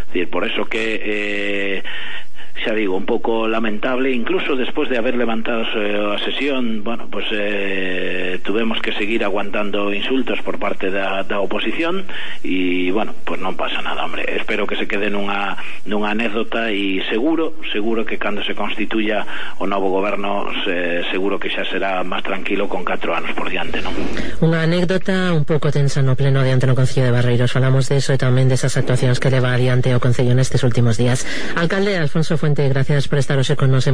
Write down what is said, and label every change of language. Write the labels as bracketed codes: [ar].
[gl] Por eso que xa digo, un pouco lamentable, incluso despois de haber levantado a sesión, bueno, pues tuvemos que seguir aguantando insultos por parte da oposición, e bueno, pues non pasa nada, hombre. Espero que se quede nunha anécdota, e seguro que cando se constituya o novo goberno, seguro que xa será máis tranquilo con 4 anos por diante, non? Unha anécdota un pouco tensa no pleno adiante no Concello de Barreiros, falamos de eso e tamén desas actuacións que leva adiante o Concello nestes últimos días. [es] Alcalde Alfonso Fuente, gracias por estar con nosotros.